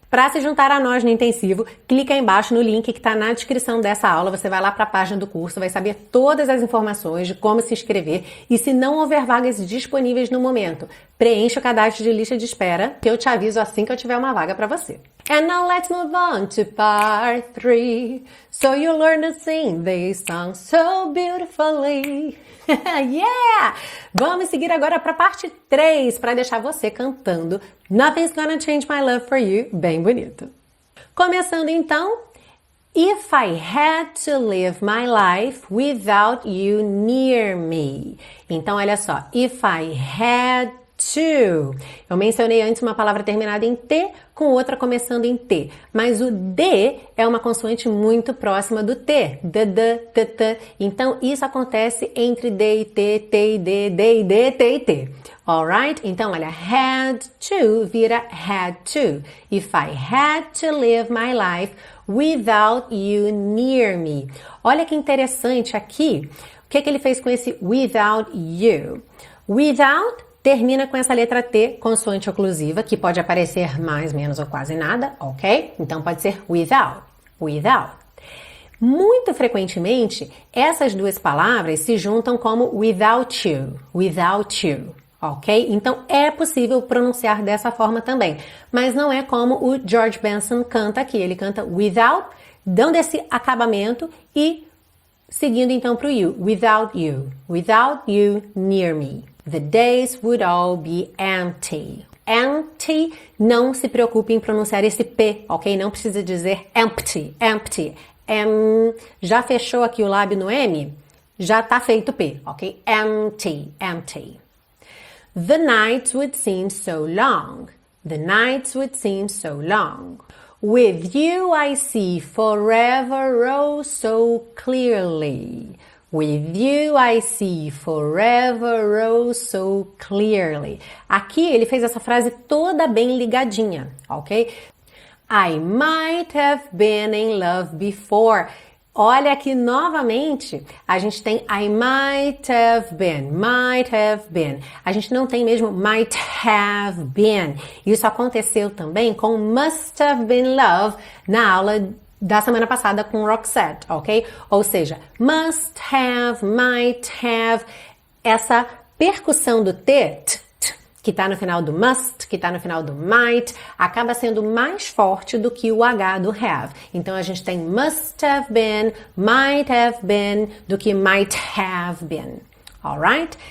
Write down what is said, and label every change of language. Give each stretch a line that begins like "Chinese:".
Portuguese: Para se juntar a nós no intensivo, clica aí embaixo no link que está na descrição dessa aula. Você vai lá para a página do curso, vai saber todas as informações de como se inscrever. E se não houver vagas disponíveis no momento, preencha o cadastro de lista de espera, que eu te aviso assim que eu tiver uma vaga para você.
English: And now let's move on to part 3. So you learn to sing this song so beautifully. Yeah!
Portuguese: Vamos seguir agora para a parte 3, para deixar você cantando Nothing's Gonna Change My Love For You, bem bonito. Começando então,
English: If I had to live my life without you near me.
Portuguese: Então, olha só,
English: if I had to.
Portuguese: Eu mencionei antes uma palavra terminada em T com outra começando em T, mas o D é uma consoante muito próxima do T, D, D, T, T. Então, isso acontece entre D e T, T e D, D e D, T e T.
English: Alright?
Portuguese: Então, olha, had to vira had to.
English: If I had to live my life without you near me.
Portuguese: Olha que interessante aqui, o que, que ele fez com esse without you? Without termina com essa letra T, consoante oclusiva, que pode aparecer mais, menos ou quase nada, ok? Então pode ser without, without. Muito frequentemente, essas duas palavras se juntam como without you, without you. Ok? Então, é possível pronunciar dessa forma também. Mas não é como o George Benson canta aqui. Ele canta without, dando esse acabamento e seguindo então para o you.
English: Without you. Without you near me. The days would all be empty.
Portuguese: Empty, não se preocupe em pronunciar esse P, ok? Não precisa dizer empty, empty. Já fechou aqui o lábio no M? Já tá feito P, ok? Empty, empty.
English: The nights would seem so long. The nights would seem so long. With you I see forever oh so clearly. With you I see forever oh so clearly.
Portuguese: Aqui ele fez essa frase toda bem ligadinha, ok?
English: I might have been in love before.
Portuguese: Olha aqui novamente, a gente tem I might have been, a gente não tem mesmo might have been, isso aconteceu também com must have been love na aula da semana passada com Roxette, ok? Ou seja, must have, might have, essa percussão do T, que está no final do must, que está no final do might, acaba sendo mais forte do que o H do have. Então, a gente tem must have been, might have been, do que might have been. Alright?